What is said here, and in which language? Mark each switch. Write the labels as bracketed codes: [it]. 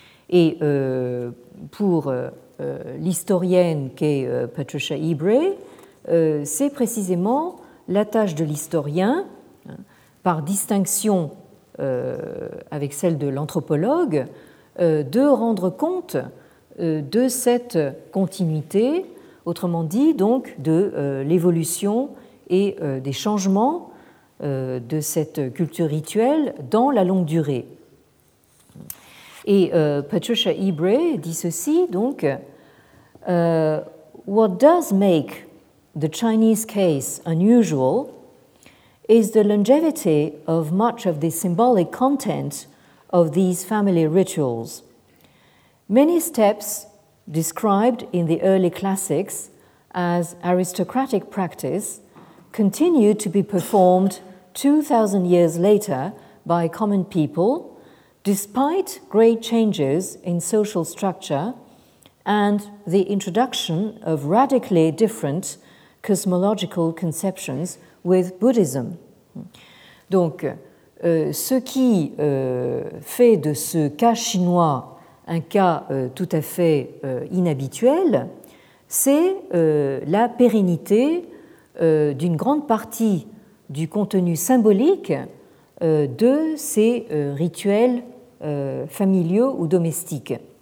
[fr] Et pour l'historienne qu'est Patricia Ebray, c'est précisément la tâche de l'historien, par distinction avec celle de l'anthropologue, de rendre compte de cette continuité, autrement dit donc de l'évolution et des changements de cette culture rituelle dans la longue durée. Et Patricia Ebray dit ceci donc, [en] What does make the Chinese case unusual is the longevity of much of the symbolic content of these family rituals. Many steps described in the early classics as aristocratic practice continue to be performed 2,000 years later by common people, despite great changes in social structure and the introduction of radically different cosmological conceptions with Buddhism. [fr] Donc, ce qui fait de ce cas chinois un cas tout à fait inhabituel, c'est la pérennité d'une grande partie du contenu symbolique de ces rituels familiaux ou domestiques.